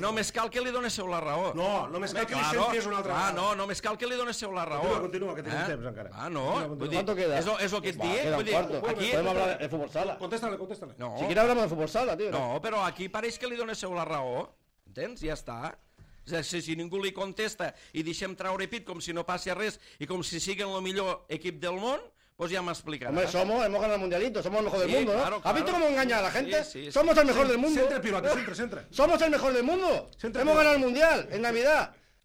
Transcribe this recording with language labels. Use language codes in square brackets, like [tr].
[ca] Només cal que li donés la raó. No, només cal que li sentés una altra raó. Només cal que li donés la raó. Continua, que tenim temps encara. Ah, no. És el que et dic. Aquí... Podem hablar de futbol sala. Contesta-li. [es] Si quiere hablamos de futbol sala, tio. [ca] No, però aquí pareix que li donés la raó. Entens? Ja està. Si ningú li contesta i deixem traure pit com si no passi res i com si siguen el millor equip del món, doncs ja m'explicarà. [es] Home, hemos ganado el mundialito, somos el mejor del mundo, claro, ¿no? Claro. ¿Has visto cómo engaña a la gente? Sí. Somos el mejor del mundo. [ca] Centra el pilote. [es] Somos el mejor del mundo. Hemos ganado el mundial en Navidad.